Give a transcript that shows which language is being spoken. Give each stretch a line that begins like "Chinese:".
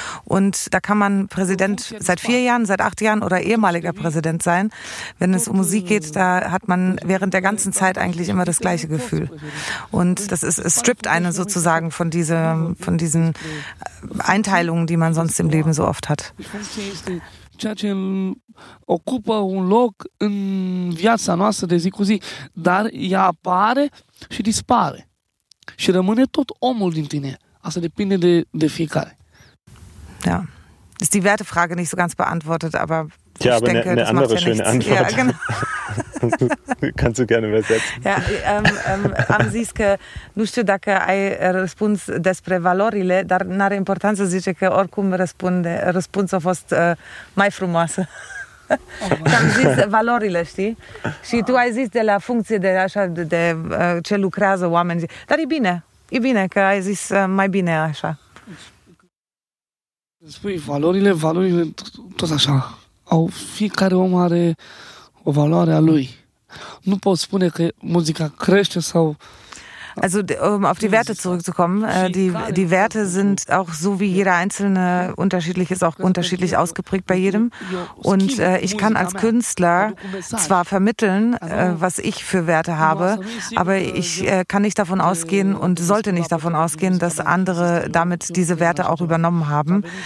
German: Und da kann man Präsident seit 4 Jahren, seit 8 Jahren oder ehemaliger Präsident sein. Wenn es um Musik geht, da hat man während der ganzen Zeit eigentlich immer das gleiche Gefühl. Und das ist, es strippt einen sozusagen von diesen Einteilungen, die man sonst im Leben so oft hat.
Romanian: Ceea ce ocupă un loc în viața noastră de zi cu zi, dar ea apare și dispare. Și rămâne tot omul din tine. Asta depinde de fiecare.
German: Ja, ist die Wertefrage nicht so ganz beantwortet, aber ja, ich aber denke, eine andere schöne Antwort. Ja, genau. Kannst du gerne übersetzen.
Romanian: Ja, am zis că nu știu dacă ai răspuns despre valorile, dar n-are importanță, zice că oricum răspunde, răspunsul a fost mai frumoasă. Am zis valorile, știi? Și tu ai zis de la funcție de așa de ce lucrează oamenii. Dar e bine că ai zis mai bine așa. Spui valorile, valorile tot așa. Au fiecare om are o valoare a lui. Nu pot spune că muzica crește sau.
German: Also um auf die Werte zurückzukommen, die Werte sind auch so wie jeder Einzelne unterschiedlich, ist auch unterschiedlich ausgeprägt bei jedem. Und ich kann als Künstler zwar vermitteln, was ich für Werte habe, aber ich kann nicht davon ausgehen und sollte nicht davon ausgehen, dass andere damit diese Werte auch übernommen haben.